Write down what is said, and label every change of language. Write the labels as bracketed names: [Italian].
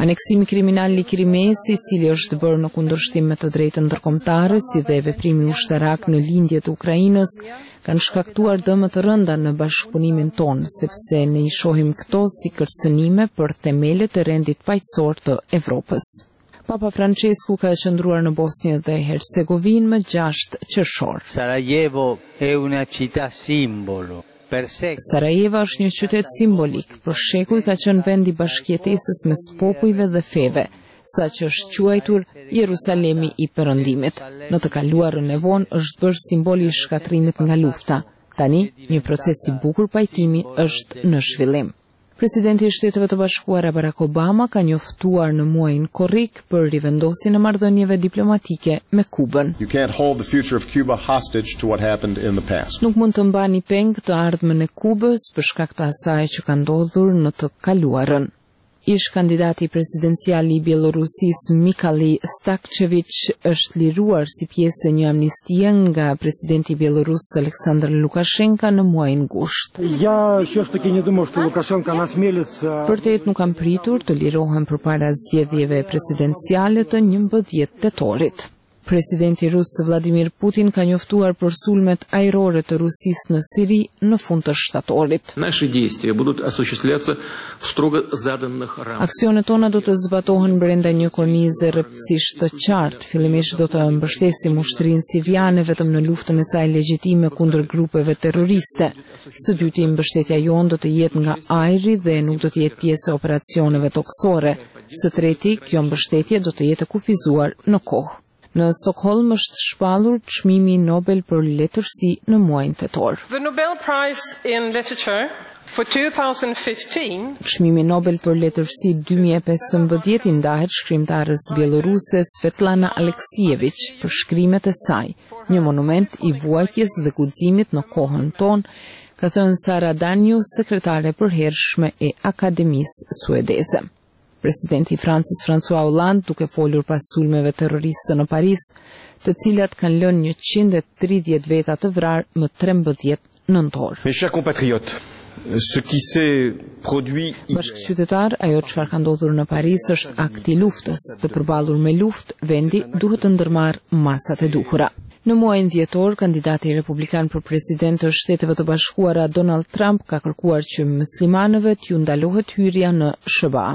[Albanian] Aneksimi kriminal i Krimes, i cili është bërë në kundërshtim me të drejtën ndërkombëtare, si dhe veprimi ushtarak në lindje të Ukrainës, kanë shkaktuar dëmë të rënda në bashkëpunimin tonë, sepse ne i shohim këto si kërcënime për themelet e rendit paqësor të Evropës. Papa Francesku ka qëndruar në Bosnjë dhe Hercegovinë më 6 qershor. [Italian] Sarajevo è una città simbolo. [Albanian] Sarajevo është një qytet simbolik, për shekuj ka qenë vendi bashkëjetesës mes popujve dhe feve, sa që është quajtur Jerusalemi i Perëndimit. Në të kaluarën e vonë është bërë simboli i shkatrimit nga lufta. Tani, një proces i bukur pajtimi është në zhvillim. Presidenti i Shteteve të Bashkuara Barack Obama ka njoftuar në muajin korrik për rivendosjen e marrëdhënieve diplomatike me Kubën. [English] You can't hold the future of Cuba hostage to what happened in the past. [Albanian] Nuk mund të mbani peng të ardhmen e Kubës për shkak të asaj që ka ndodhur në të kaluarën. Ish kandidati presidencial i Bielorusis Mikhali Stakcevic është liruar si pjesë e një amnistie nga presidenti Bielorus Aleksandr Lukashenka në muajin gusht. Ja, që është të kënjë dëmo, shtë Lukashenka në smelit së... Për të jetë nuk kam pritur të lirohen për para zgjedhjeve presidenciale të 11 tetorit. Presidenti rus Vladimir Putin ka njoftuar për sulmet ajrore të Rusisë në Siri në fund të shtatorit. [Russian] Наши действия будут осуществляться в строго заданных рамках. [Albanian] Aksionet tona do të zbatohen brenda një kornize rrëpësisht të qartë. Fillimisht do të mbështesim ushtrinë siriane vetëm në luftën e saj legjitime kundër grupeve terroriste. Së dyti, mbështetja jonë do të jetë nga ajri dhe nuk do të jetë pjesë e operacioneve toksore. Së treti, kjo mbështetje do të jetë kufizuar në kohë. Në Stockholm është shpallur çmimi Nobel për letërsi në muajin tetor. [English] The Nobel Prize in Literature for 2015. [Albanian] Çmimi Nobel për letërsi 2015 i ndahet shkrimtarës bieloruse Svetlana Aleksijevich për shkrimet e saj, një monument i vuajtjes dhe guximit në kohën tonë, ka thënë Sara Danju, sekretare përhershme e Akademisë Suedeze. Presidenti Francis François Hollande, duke folur pas sulmeve terroriste në Paris, të cilat kanë lënë 130 veta të vrarë më 13 nëntor. [French] Mes chers compatriotes, ce qui s'est produit [Albanian] bashkëqytetar, ajo çfarë ka ndodhur në Paris është akti luftës. Të përballur me luftë, vendi duhet të ndërmarrë masat e duhura. Në muajin dhjetor, kandidati republikan për president të Shteteve të Bashkuara Donald Trump ka kërkuar që muslimanëve t'ju ndalohet hyrja në SBA.